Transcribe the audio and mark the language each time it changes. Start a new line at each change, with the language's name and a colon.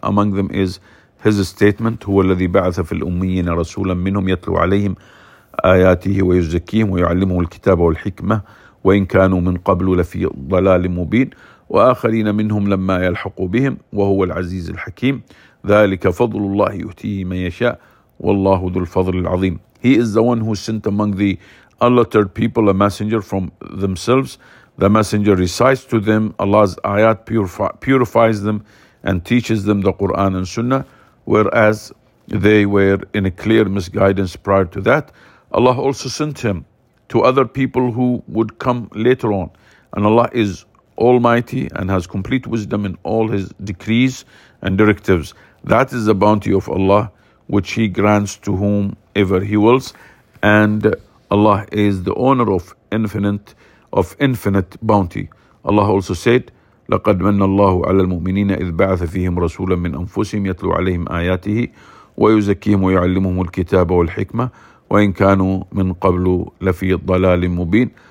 English: Among them is his statement,
Arabic: هو الذي بعث في الأميين رسولا منهم يتلو عليهم آياته ويزكيهم ويعلمهم الكتاب والحكمة وإن كانوا من قبل لفي ضلال مبين وآخرين منهم لما يلحقوا بهم وهو العزيز الحكيم ذلك فضل الله يؤتيه من يشاء والله ذو الفضل العظيم.
English: He is the one who sent among the unlettered people a messenger from themselves. The messenger recites to them Allah's ayat, purifies them, and teaches them the Quran and Sunnah, whereas they were in a clear misguidance prior to that. Allah also sent him to other people who would come later on. And Allah is Almighty and has complete wisdom in all His decrees and directives. That is the bounty of Allah, which He grants to whomever He wills. And Allah is the owner of infinite bounty. Allah also said,
Arabic: لقد من الله على المؤمنين إذ بعث فيهم رسولا من أنفسهم يتلو عليهم آياته ويزكيهم ويعلمهم الكتاب والحكمة وإن كانوا من قبل لفي ضلال مبين.